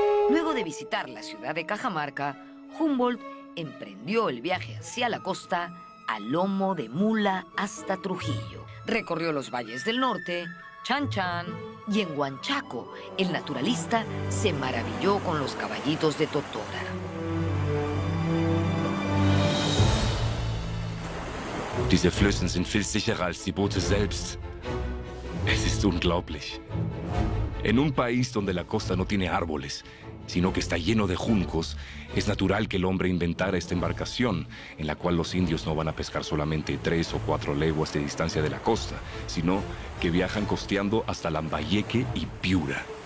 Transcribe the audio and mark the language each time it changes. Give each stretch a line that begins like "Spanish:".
Spanish: Luego de visitar la ciudad de Cajamarca, Humboldt emprendió el viaje hacia la costa a lomo de mula hasta Trujillo. Recorrió los valles del norte, Chan Chan, y en Huanchaco, el naturalista se maravilló con los caballitos de Totora.
German: Diese Flüsse sind viel sicherer als die Boote selbst. Es ist unglaublich.
Spanish: En un país donde la costa no tiene árboles, sino que está lleno de juncos, es natural que el hombre inventara esta embarcación, en la cual los indios no van a pescar solamente 3 o 4 leguas de distancia de la costa, sino que viajan costeando hasta Lambayeque y Piura.